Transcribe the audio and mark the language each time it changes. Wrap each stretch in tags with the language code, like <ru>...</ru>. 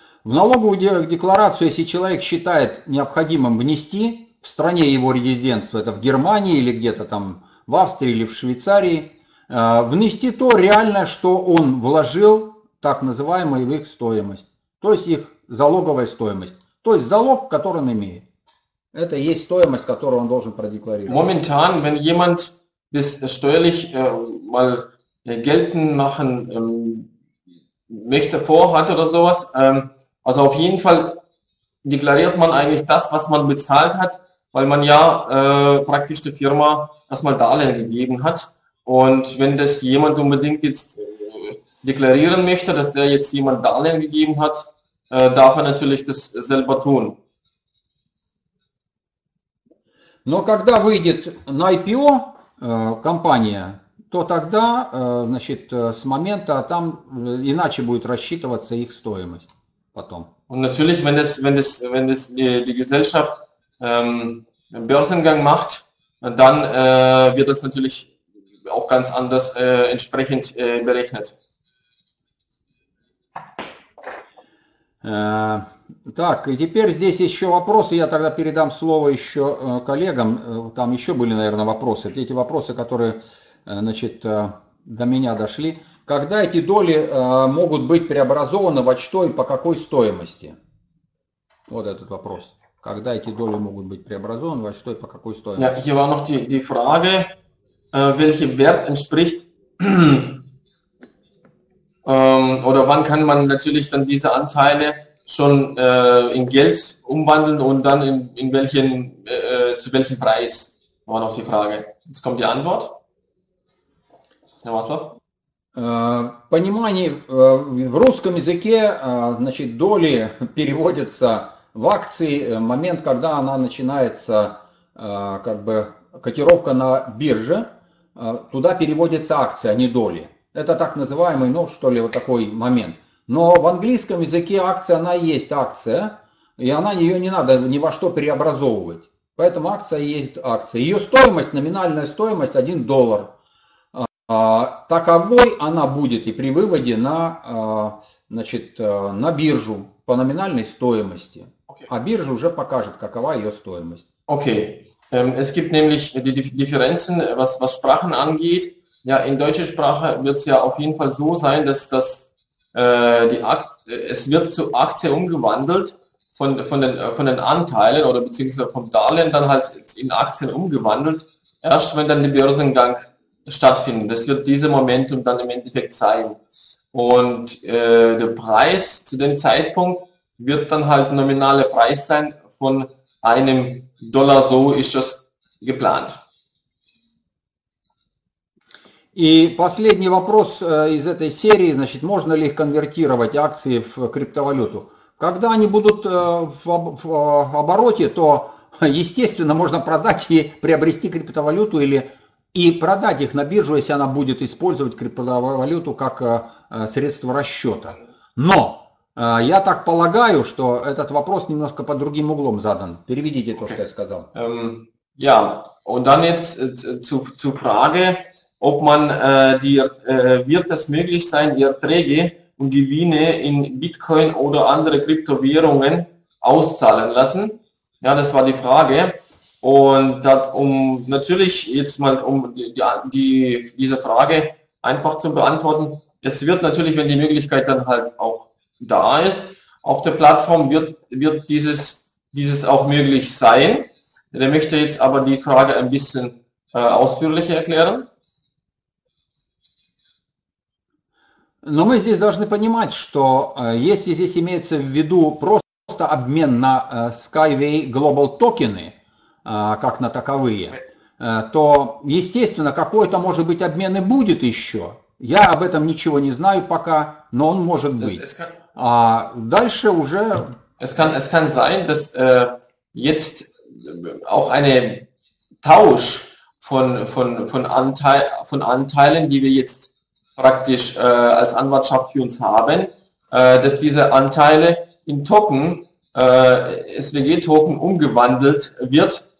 <ru>В налоговую декларацию, если человек считает необходимым внести в стране его резидентства, это в Германии или где-то там в Австрии или в Швейцарии, внести то реальное, что он вложил, так называемое, в их стоимость, то есть их залоговая стоимость, то есть залог, который он имеет. Это и есть стоимость, которую он должен продекларировать.</ru> <de>Momentan, wenn jemand das steuerlich mal geltend machen möchte, vorhat oder sowas, also auf jeden Fall deklariert man eigentlich das, was man bezahlt hat, weil man ja praktisch der Firma erstmal Darlehen gegeben hat. Und wenn das jemand unbedingt jetzt deklarieren möchte, dass der jetzt jemand Darlehen gegeben hat, darf er natürlich das selber tun.</de> <ru>Но когда выйдет на IPO компания, то тогда, значит, с момента там иначе будет рассчитываться их стоимость потом.</ru> <de>Und natürlich, wenn das die Gesellschaft Börsengang macht, dann wird das natürlich auch ganz anders entsprechend berechnet.</de> <ru>Так, и теперь здесь еще вопросы, я тогда передам слово еще коллегам, там еще были, наверное, вопросы, эти вопросы, которые, значит, до меня дошли. Когда эти доли могут быть преобразованы, во что и по какой стоимости? Вот этот вопрос. Когда эти доли могут быть преобразованы, во что и по какой стоимости?</ru> <de>Ja, hier war noch die Frage, welcher Wert entspricht, oder wann kann man natürlich dann diese Anteile schon in Geld umwandeln und dann in welchen zu welchem Preis, war noch die Frage. Jetzt kommt die Antwort. Herr Maslow.</de> <ru>Понимание в русском языке, значит, доли переводятся в акции момент, когда она начинается, как бы котировка на бирже, туда переводится акция, а не доли. Это так называемый, ну, что ли, вот такой момент. Но в английском языке акция, она и есть акция, и она, ее не надо ни во что преобразовывать. Поэтому акция и есть акция. Ее стоимость, номинальная стоимость 1 доллар. Таковой она будет и при выводе на, значит, на биржу по номинальной стоимости.</ru> <en>Okay.</en> <ru>А биржа уже покажет, какова ее стоимость. Окей.</ru> <de>Es gibt nämlich die Differenzen, was Sprachen angeht. Ja, in deutscher Sprache wird es ja auf jeden Fall so sein, dass das es wird zu Aktie umgewandelt von den Anteilen oder beziehungsweise vom Darlehen dann halt in Aktien umgewandelt, erst wenn dann der Börsengang stattfindet. Das wird dieser Momentum dann im Endeffekt sein. Und der Preis zu dem Zeitpunkt wird dann halt nominaler Preis sein von einem Dollar, so ist das geplant.</de> <ru>И последний вопрос из этой серии, значит, можно ли их конвертировать, акции, в криптовалюту? Когда они будут в обороте, то, естественно, можно продать и приобрести криптовалюту или и продать их на биржу, если она будет использовать криптовалюту как средство расчета. Но я так полагаю, что этот вопрос немножко под другим углом задан. Переведите то, что я сказал.</ru> <de>Ja, und dann jetzt zu Frage. Ob man wird es möglich sein, die Erträge und Gewinne in Bitcoin oder andere Kryptowährungen auszahlen lassen? Ja, das war die Frage. Und dat, um natürlich jetzt mal um diese Frage einfach zu beantworten, es wird natürlich, wenn die Möglichkeit dann halt auch da ist, auf der Plattform wird dieses auch möglich sein. Der möchte jetzt aber die Frage ein bisschen ausführlicher erklären.</de> <ru>Но мы здесь должны понимать, что если здесь имеется в виду просто обмен на Skyway Global токены, как на таковые, то, естественно, какой-то, может быть, обмен и будет еще. Я об этом ничего не знаю пока, но он может быть. А дальше уже...</ru> <de>Es kann sein, dass jetzt auch eine Tausch von Anteilen, die wir jetzt praktisch als Anwartschaft für uns haben, dass diese Anteile in Token, SWG-Token, umgewandelt wird.</de>